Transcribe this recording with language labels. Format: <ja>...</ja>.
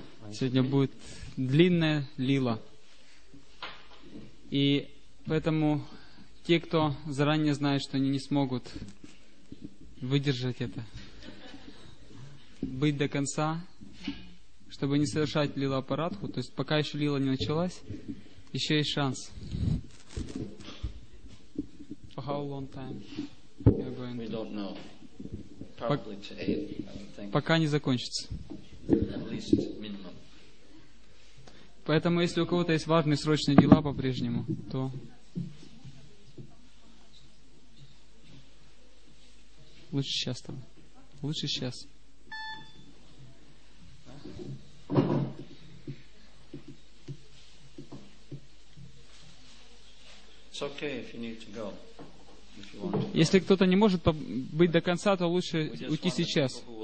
<ru>Сегодня будет длинная лила. И поэтому те, кто заранее знает, что они не смогут выдержать это, быть до конца, чтобы не совершать лила апарадху, то есть пока еще лила не началась, еще есть шанс.</ru> <en>For how long time you're going to... We don't know. Probably to 8, I don't think.</en> <ru>Пока не закончится.</ru> <en>At least minimum.</en> <ru>Поэтому, если у кого-то есть важные срочные дела по-прежнему, то... Лучше сейчас там. Лучше сейчас.</ru> <en>It's okay if you need to go, if you want to go.</en> <ru>Если кто-то не может быть до конца, то лучше уйти сейчас.</ru>